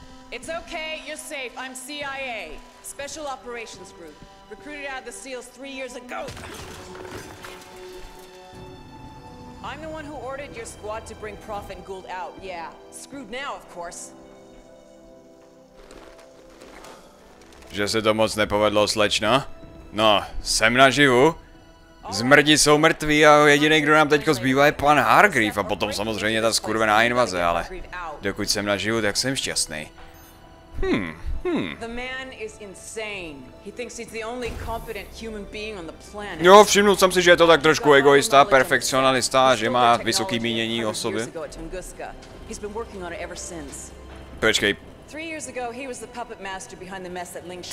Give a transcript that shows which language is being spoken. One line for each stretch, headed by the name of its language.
English: It's okay, you're safe. I'm CIA. Special Operations Group. Recruited out of the SEALs 3 years ago. I'm the one who ordered your squad to bring Prophet and Gould out, yeah. Screwed now, of course.
Czech: Že se to moc nepovedlo, slečna? No, jsem naživu. Zmrdi jsou mrtví a jediný, kdo nám teďko zbývá, je pan Hargreave a potom samozřejmě ta skurvená invaze, ale dokud jsem naživu, tak jsem šťastný.
English: The man is insane. He thinks he's the only competent human being on the planet.
Czech: Jo, všimnul jsem si, že je to tak trošku egoista, perfekcionalista, že má vysoký mínění o sobě.
English: He's been working on it ever since. Počkej. 3 years ago he was the puppet master behind the mess at Ling Shan.